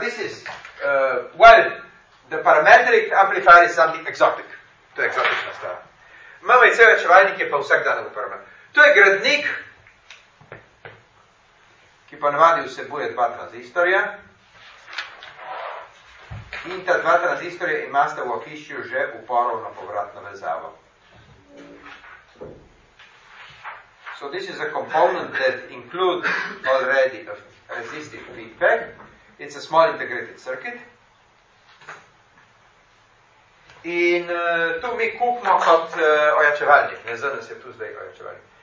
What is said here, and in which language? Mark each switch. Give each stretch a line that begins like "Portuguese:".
English: This is, well, the parametric amplifier is something exotic.
Slovenian: To je exotična stvar. MMIC ojačevalnik je pa vsak dan uporabljamo. To je gradnik, ki ponavadi vsebuje dva tranzistorja. In ta dva tranzistorja imate v okišju že uporovno povratno vezavo.
English: So this is a component that includes already a resistive feedback. It's a small integrated circuit.
Slovenian: In tu mi kupimo kot ojačevalnik. Ne zdaj se tu zdaj ojačevalnik.